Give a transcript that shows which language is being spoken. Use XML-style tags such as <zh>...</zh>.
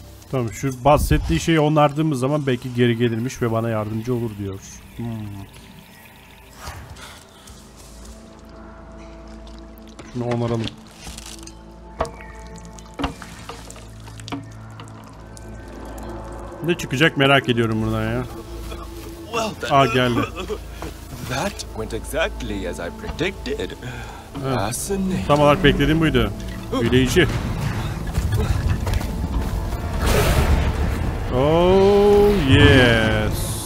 <tr>Tamam, şu bahsettiği şeyi onardığımız zaman belki geri gelirmiş ve bana yardımcı olur diyor. Şunu onaralım. Ne çıkacak merak ediyorum buradan ya. Aa, geldi.</tr> <en>That went exactly as I predicted. Fascinating.</en> <tr>Tam olarak beklediğim buydu. Büyüleyici.</tr> <en>Oh yes.</en>